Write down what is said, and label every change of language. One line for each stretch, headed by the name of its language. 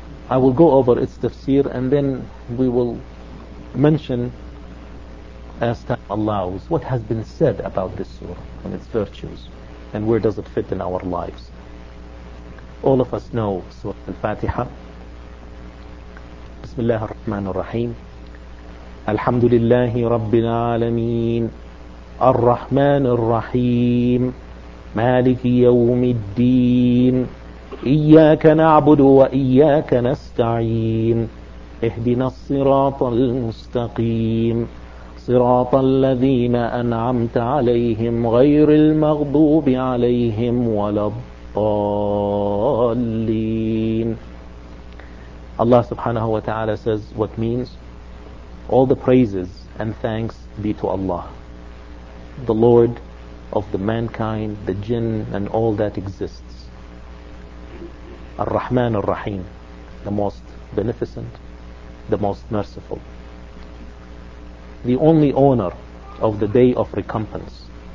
English: I will go over its tafsir and then we will mention, as time allows, what has been said about this surah and its virtues and where does it fit in our lives. All of us know Surah Al-Fatiha.
Arabic: بسم الله الرحمن الرحيم الحمد لله رب العالمين الرحمن الرحيم مالك يوم الدين إياك نعبد وإياك نستعين اهدنا الصراط المستقيم صراط الذين أنعمت عليهم غير المغضوب عليهم ولا الضالين.
English: Allah subhanahu wa ta'ala says what means, all the praises and thanks be to Allah, the Lord of the mankind, the jinn and all that exists. Ar-Rahman Ar-Rahim, the most beneficent, the most merciful, the only owner of the day of recompense.